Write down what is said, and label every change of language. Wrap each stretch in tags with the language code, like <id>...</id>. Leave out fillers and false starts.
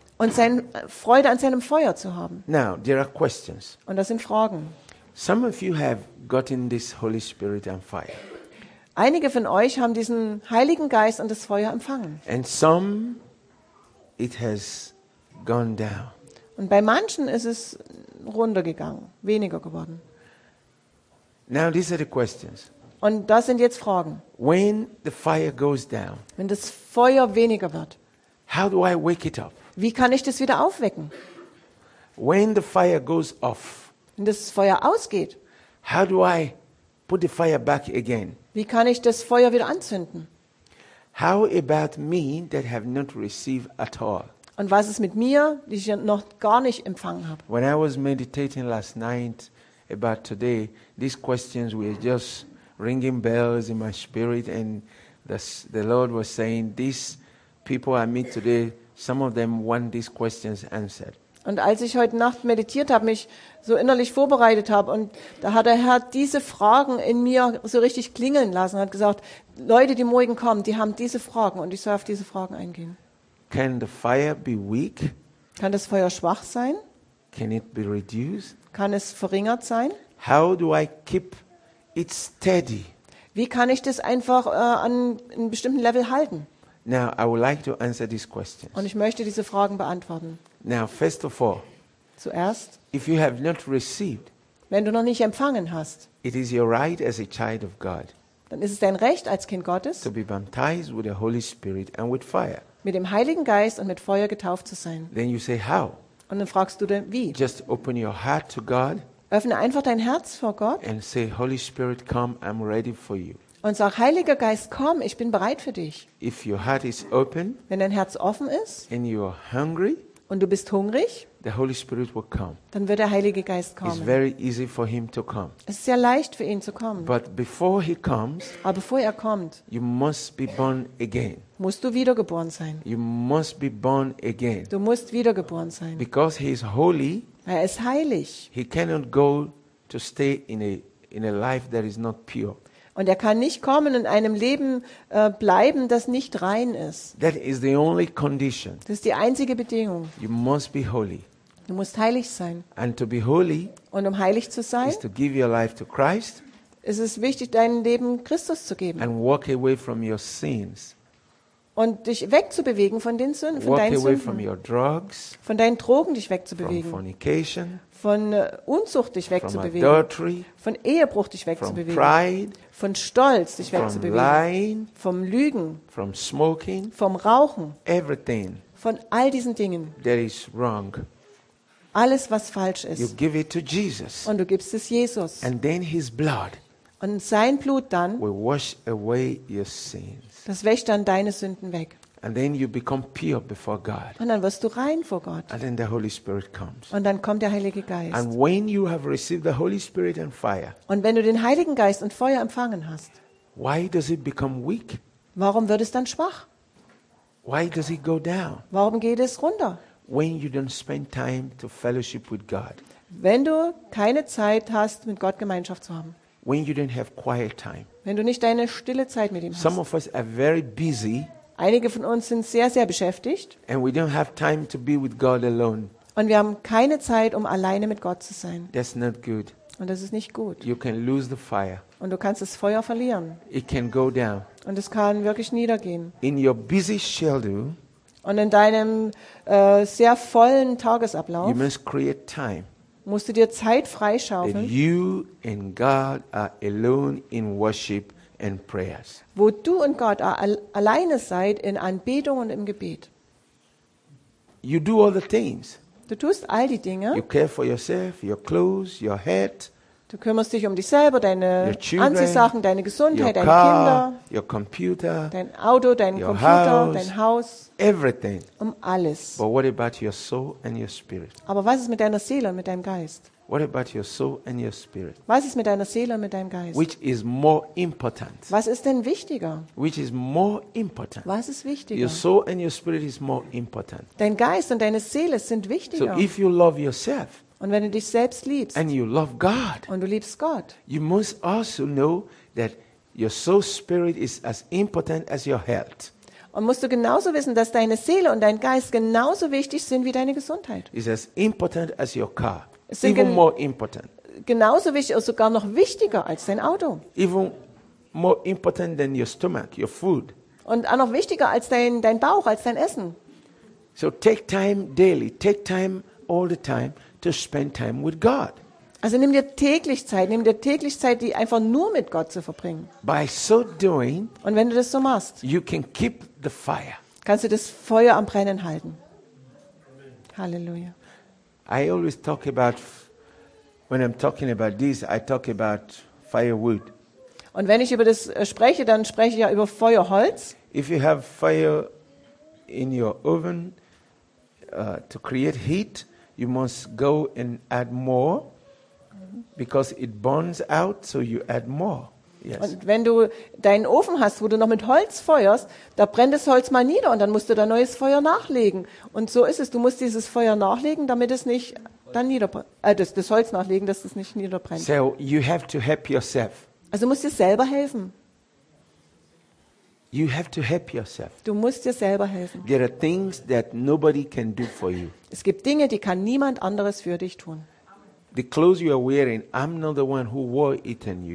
<de>Und seine Freude an seinem Feuer zu haben.</de> <en>Now, there are questions.</en> <de>Und das sind Fragen.</de> <en>Some of you have gotten this Holy Spirit and fire.</en> <de>Einige von euch haben diesen Heiligen Geist und das Feuer empfangen.</de> <en>And some it has gone down.</en> <de>Und bei manchen ist es runtergegangen, weniger geworden.</de> <en>Now these are the questions.</en> <de>Und das sind jetzt Fragen.</de> <en>When the fire goes down.</en> <de>Wenn das Feuer weniger wird.</de> <en>How do I wake it up?</en> <de>Wie kann ich das wieder aufwecken?</de> <en>When the fire goes off.</en> <de>Wenn das Feuer ausgeht.</de> <en>How do I put the fire back again?</en> <de>Wie kann ich das Feuer wieder anzünden?</de> <en>How about me that have not received at all?</en> <de>Und was ist mit mir, die ich noch gar nicht empfangen habe?</de> <en>When I was meditating last night about today, these questions were just ringing bells in my spirit, and the Lord was saying, these people I meet today, some of them want these questions answered.</en> <de>Und als ich heute Nacht meditiert habe, mich so innerlich vorbereitet habe, und da hat der Herr diese Fragen in mir so richtig klingeln lassen, hat gesagt, Leute, die morgen kommen, die haben diese Fragen, und ich soll auf diese Fragen eingehen.</de> <en>Can the fire be weak?</en> <de>Kann das Feuer schwach sein?</de> <en>Can it be reduced?</en> <de>Kann es verringert sein?</de> <en>How do I keep it steady?</en> <de>Wie kann ich das einfach an einem bestimmten Level halten?</de> <en>Now I would like to answer these questions.</en> <de>Und ich möchte diese Fragen beantworten.</de> <en>Now, first of all,</en> <de>zuerst,</de> <en>if you have not received,</en> <de>wenn du noch nicht empfangen hast,</de> <en>it is your right as a child of God,</en> <de>dann ist es dein Recht als Kind Gottes,</de> <en>to be baptized with the Holy Spirit and with fire.</en> <de>Mit dem Heiligen Geist und mit Feuer getauft zu sein.</de> <en>Then you say how?</en> <de>Und dann fragst du dann wie?</de> <en>Just open your heart to God.</en> <de>Öffne einfach dein Herz vor Gott.</de> <en>And say, Holy Spirit, come, I'm ready for you.</en> <de>Und sag, Heiliger Geist, komm, ich bin bereit für dich.</de> <en>If your heart is open,</en> <de>wenn dein Herz offen ist,</de> <en>and you are hungry.</en> <de>Und du bist hungrig?</de> <en>The Holy Spirit will come.</en> <de>Dann wird der Heilige Geist kommen.</de> <en>It's very easy for him to come.</en> <de>Es ist sehr leicht für ihn zu kommen.</de> <en>But before he comes,</en> <de>aber bevor er kommt,</de> <en>you must be born again.</en> <de>Musst du wiedergeboren sein.</de> <en>You must be born again.</en> <de>Du musst wiedergeboren sein.</de> <en>Because he is holy.</en> <de>Er ist heilig.</de> <en>He cannot go to stay in a life that is not pure.</en> <de>Und er kann nicht kommen in einem Leben bleiben, das nicht rein ist.</de> <en>That is the only condition.</en> <de>Das ist die einzige Bedingung.</de> <en>You must be holy.</en> <de>Du musst heilig sein.</de> <en>And to be holy.</en> <de>Und um heilig zu sein,</de> <en>is to give your life to Christ.</en> <de>Ist es wichtig, dein Leben Christus zu geben.</de> <en>And walk away from your sins.</en> <de>Und dich wegzubewegen von den Sünden, von deinen Sünden.</de> <en>Walk away from your drugs.</en> <de>Von deinen Drogen dich wegzubewegen.</de> <en>From fornication.</en> <de>Von Unzucht dich wegzubewegen.</de> <en>From adultery.</en> <de>Von Ehebruch dich wegzubewegen.</de> <en>From pride.</en> <de>Von Stolz dich wegzubewegen.</de> <en>From lying.</en> <de>Vom Lügen.</de> <en>From smoking.</en> <de>Vom Rauchen.</de> <en>Everything.</en> <de>Von all diesen Dingen.</de> <en>That is wrong.</en> <de>Alles, was falsch ist.</de> <en>You give it to Jesus.</en> <de>Und du gibst es Jesus.</de> <en>And then his blood.</en> <de>Und sein Blut dann.</de> <en>Will wash away your sins.</en> <de>Das wäscht dann deine Sünden weg.</de> <en>And then you become pure before God.</en> <de>Und dann wirst du rein vor Gott.</de> <en>And then the Holy Spirit comes.</en> <de>Und dann kommt der Heilige Geist.</de> <en>And when you have received the Holy Spirit and fire.</en> <de>Und wenn du den Heiligen Geist und Feuer empfangen hast.</de> <en>Why does it become weak?</en> <de>Warum wird es dann schwach?</de> <en>Why does it go down?</en> <de>Warum geht es runter?</de> <en>When you don't spend time to fellowship with God.</en> <de>Wenn du keine Zeit hast, mit Gott Gemeinschaft zu haben.</de> <en>When you don't have quiet time.</en> <de>Wenn du nicht deine stille Zeit mit ihm hast.</de> <en>Some of us are very busy.</en> <de>Einige von uns sind sehr, sehr beschäftigt.</de> <en>And we don't have time to be with God alone.</en> <de>Und wir haben keine Zeit, um alleine mit Gott zu sein.</de> <en>That's not good.</en> <de>Und das ist nicht gut.</de> <en>You can lose the fire.</en> <de>Und du kannst das Feuer verlieren.</de> <en>It can go down.</en> <de>Und es kann wirklich niedergehen.</de> <en>In your busy schedule,</en> <de>und in deinem sehr vollen Tagesablauf,</de> <en>you must create time,</en> <de>musst du dir Zeit freischaufeln,</de> <en>that you and God are alone in worship. And prayers.</en> <de>Wo du und Gott alleine seid in Anbetung und im Gebet.</de> <en>You do all the things.</en> <de>Du tust all die Dinge.</de> <en>You care for yourself, your clothes, your head.</en> <de>Du kümmerst dich um dich selber, deine</de> <en>children,</en> <de>Anziehsachen, deine Gesundheit,</de> <en>your</en> <de>deine car, Kinder,</de> <en>your computer,</en> <de>dein Auto, dein</de> <en>your</en> <de>Computer,</de> <en>house,</en> <de>dein Haus.</de> <en>Everything.</en> <de>Um alles.</de> <en>But what about your soul and your spirit?</en> <de>Aber was ist mit deiner Seele und mit deinem Geist?</de> <en>What about your soul and your spirit?</en> <de>Was ist mit deiner Seele und mit deinem Geist?</de> <en>Which is more important?</en> <de>Was ist denn wichtiger?</de> <en>Which is more important?</en> <de>Was ist wichtiger?</de> <en>Your soul and your spirit is more important.</en> <de>Dein Geist und deine Seele sind wichtiger.</de> <en>So if you love yourself,</en> <de>Und wenn du dich selbst liebst,</de> <en>and you love God,</en> <de>und du liebst Gott,</de> <en>you must also know that your soul spirit is as important as your health.</en> <de>Und musst du genauso wissen, dass deine Seele und dein Geist genauso wichtig sind wie deine Gesundheit.</de> <en>It's as important as your car. Even more important.</en> <de>Genauso wichtig, sogar noch wichtiger als dein Auto.</de> <en>Even more important than your stomach, your food.</en> <de>Und auch noch wichtiger als dein Bauch, als dein Essen.</de> <en>So take time daily, take time all the time to spend time with God.</en> <de>Also nimm dir täglich Zeit, die einfach nur mit Gott zu verbringen.</de> <en>By so doing,</en> <de>und wenn du das so machst,</de> <en>you can keep the fire.</en> <de>Kannst du das Feuer am Brennen halten. Halleluja.</de> <en>I always talk about when I'm talking about this, I talk about firewood.</en> <de>Und wenn ich über das spreche, dann spreche ich ja über Feuerholz.</de> <en>If you have fire in your oven to create heat, you must go and add more. Because it burns out, so you add more. Yes.</en> <de>Und wenn du deinen Ofen hast, wo du noch mit Holz feuerst, da brennt das Holz mal nieder und dann musst du da neues Feuer nachlegen. Und so ist es, du musst dieses Feuer nachlegen, damit es nicht dann das Holz nachlegen, dass es nicht niederbrennt.</de> <en>So you have to help yourself.</en> <de>Also musst dir selber helfen.</de> <en>You have to help yourself.</en> <de>Du musst dir selber helfen.</de> <en>There are things that nobody can do for you.</en> <de>Es gibt Dinge, die kann niemand anderes für dich tun.</de> <en>The clothes you are wearing, I'm not the one who wore it on you.</en>